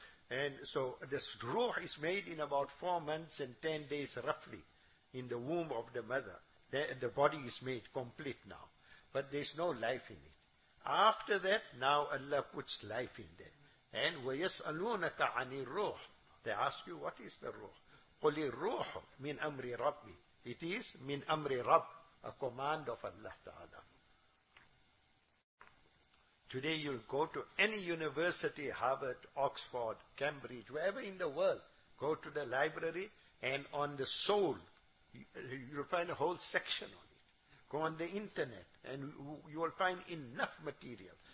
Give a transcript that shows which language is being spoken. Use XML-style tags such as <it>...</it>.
<en>And so this ruh is made in about 4 months and 10 days roughly in the womb of the mother. The body is made complete now. But there's no life in it. After that, now Allah puts life in there. And</en> <ar>وَيَسْأَلُونَكَ عَنِ الرُّوحِ</ar> <en>They ask you, what is the ruh?</en> <ar>قُلِ الرُّوحُ مِنْ أَمْرِ رَبِّي</ar> <en>It is</en> <ar>مِنْ أَمْرِ رَبْ</ar> <en>A command of Allah Ta'ala. Today you'll go to any university, Harvard, Oxford, Cambridge, wherever in the world, go to the library and on the soul, you'll find a whole section on it. Go on the internet and you will find enough material.</en>